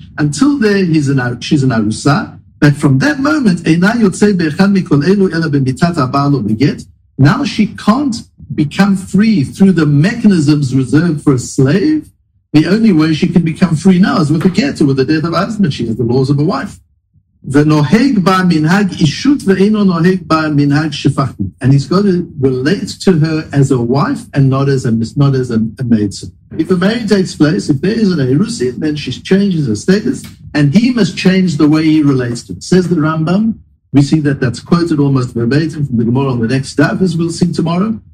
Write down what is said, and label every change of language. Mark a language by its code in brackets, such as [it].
[en] Until then, she's an arusa. But from that moment, now she can't become free through the mechanisms reserved for a slave. The only way she can become free now is with a get, with the death of husband. She has the laws of a wife. [he] ונוהג בה מנהג אישות ואינו נוהג בה מנהג שפחתי. [en] And he's got to relate to her as a wife and not as a maidservant. If a marriage takes place, if there is an erusin, then she changes her status and he must change the way he relates to her. Says the Rambam, we see that that's quoted almost verbatim from the Gemara on the next daf, as we'll see tomorrow.